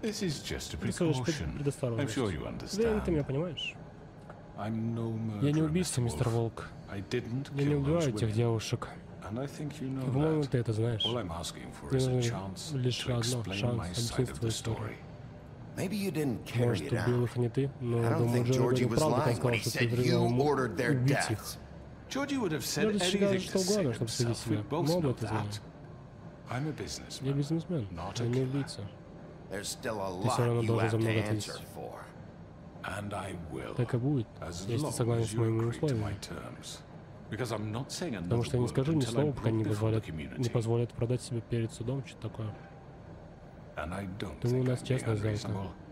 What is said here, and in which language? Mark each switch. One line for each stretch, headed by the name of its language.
English: This is just a precaution. I'm sure you understand.
Russian: Ты меня понимаешь? Я не убийца, мистер Волк. Я не убиваю этих девушек. По-моему, ты это знаешь. Мне нужно лишь одно, шанс объяснить твою историю.
English: Maybe you didn't carry it out. I don't think Georgie was lying when he said you ordered their deaths. Georgie would have said anything to save himself. We both know that. I'm a businessman, not a killer. There's still a lot you have to answer for. And I will, as long as you agree to my terms. Because I'm not saying another word until I broke before the community. And I don't think I'd be unreasonable.
Russian: Думаю, у нас честная сделка.